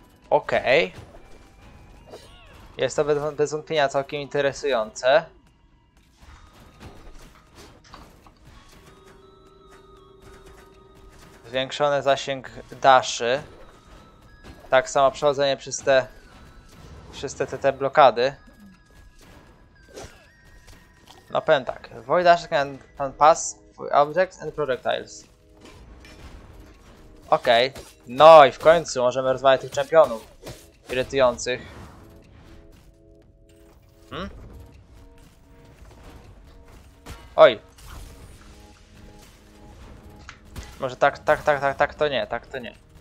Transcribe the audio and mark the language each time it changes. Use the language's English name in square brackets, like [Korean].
[Polish] Okej. Jest to bez wątpienia całkiem interesujące. Zwiększony zasięg Dashy. Tak samo przechodzenie przez te wszystkie te blokady. No powiem tak. [English] Void Dash can pass objects and projectiles. [Polish] Okej. Okay. No i w końcu możemy rozwalić tych czempionów irytujących. Oj. Może tak to nie, tak to nie.